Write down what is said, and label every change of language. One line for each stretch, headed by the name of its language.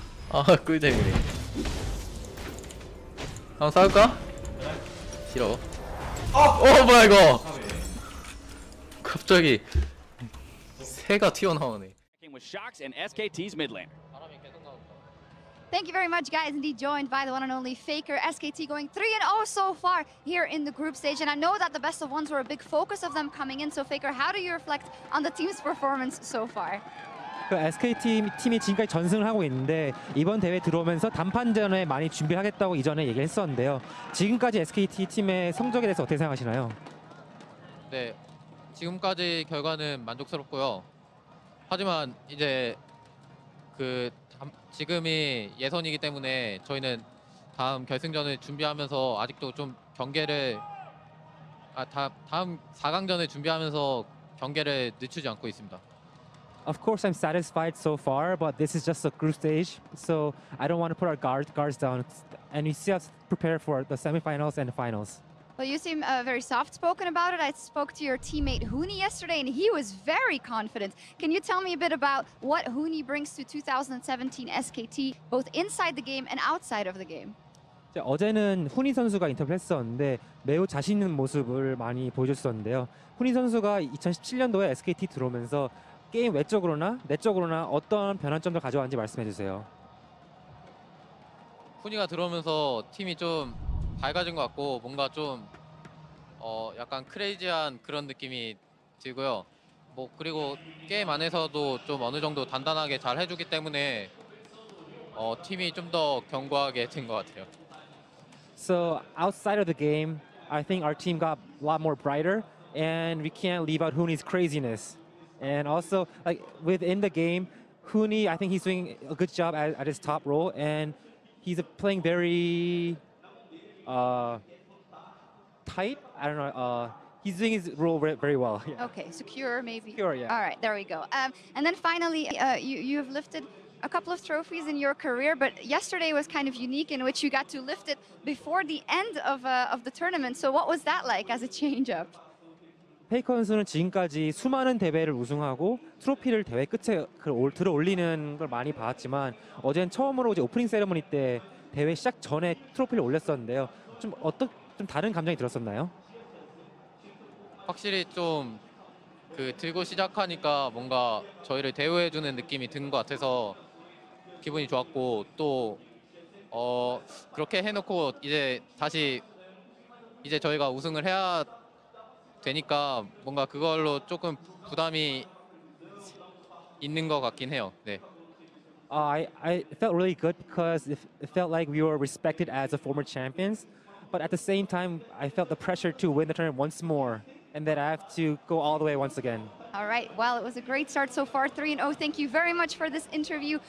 Korean: 아 꿀잼이네. 한번 싸울까? 싫어. 어! 어 뭐야 이거. 갑자기 새가 튀어나오네.
English: With Shocks and SKT's mid lane. Thank you very much, guys. Indeed, joined by the one and only Faker. SKT going 3-0 so far here in the group stage. And I know that the best of ones were a big focus of them coming in. So, Faker, how do you reflect on the team's performance so far?
Korean: SKT 팀이 지금까지 전승을 하고 있는데 이번 대회 들어오면서 단판전에 많이 준비하겠다고 이전에 얘기했었는데요. 지금까지 SKT 팀의 성적에 대해서 어떻게 생각하시나요? 네, 지금까지 결과는 만족스럽고요. 하지만 이제 그 지금이 예선이기 때문에 저희는 다음 결승전을 준비하면서 아직도 좀 경계를 다음 4강전을 준비하면서 경계를 늦추지 않고 있습니다.
English: Of course I'm satisfied so far, but this is just a group stage. So I don't want to put our guards down and we still have to prepare for the semifinals and the finals. Well, you seem very soft-spoken about it. I spoke to your teammate Huni yesterday, and he was very confident. Can you tell me a bit about what Huni brings to 2017 SKT, both inside the game and outside of the game?
Korean: 어제는 후니 선수가 인터뷰를 했었는데 매우 자신 있는 모습을 많이 보여줬었는데요. 후니 선수가 2017년도에 SKT 들어오면서 게임 외적으로나 내적으로나 어떤 변환점을 가져왔는지 말씀해 주세요. 후니가 들어오면서 팀이 좀 밝아진 것 같고 뭔가 좀 약간 크레이지한 그런 느낌이 들고요. 뭐 그리고 게임 안에서도 좀 어느 정도 단단하게 잘 해주기 때문에 팀이 좀 더 견고하게 된 것 같아요.
English: So outside of the game, I think our team got a lot more brighter, and we can't leave out Huni's craziness. And also, like within the game, Huni, I think he's doing a good job at his top role, and he's playing very tight. I don't know. He's doing his role very well. Yeah. Okay, secure maybe. Secure, yeah. All right, there we go. And then finally, you have lifted a couple of trophies in your career, but yesterday was kind of unique in which you got to lift it before the end of the tournament. So what was that like as a change-up?
Korean: 페이커 선수는 지금까지 수많은 대회를 우승하고 트로피를 대회 끝에 들어올리는 걸 많이 봤지만 어제는 처음으로 이제 오프닝 세레머니 때 대회 시작 전에 트로피를 올렸었는데요. 좀 다른 감정이 들었었나요? 확실히 좀 그 들고 시작하니까 뭔가 저희를 대우해 주는 느낌이 든 것 같아서 기분이 좋았고 또 그렇게 해놓고 이제 저희가 우승을 해야 되니까 뭔가 그걸로 조금 부담이 있는 것 같긴 해요. 네.
English: I felt really good because it felt like we were respected as a former champions, but at the same time, I felt the pressure to win the tournament once more, and that I have to go all the way once again. All right, well, it was a great start so far, 3-0. Thank you very much for this interview.